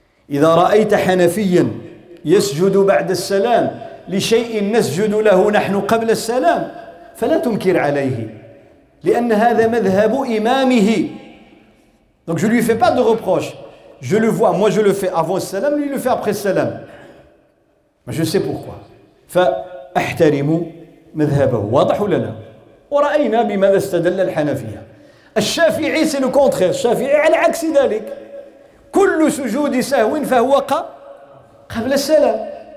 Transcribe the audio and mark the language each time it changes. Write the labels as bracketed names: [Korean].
[Arabic] إذا رأيت حنفيا يسجد بعد السلام لشيء نسجد له نحن قبل السلام فلا تنكر عليه لأن هذا مذهب إمامه. [French] Donc je lui fais pas de reproche. je le vois, moi je le fais avant le salam, lui il le fait après le salam. Mais je sais pourquoi. [Arabic] فاحترموا مذهبه واضح ولا لا ورأينا بماذا استدل الحنفية الشافعي [French] سي لو كونترير [Arabic] الشافعي على عكس ذلك كل سجود سهو فهو قبل السلام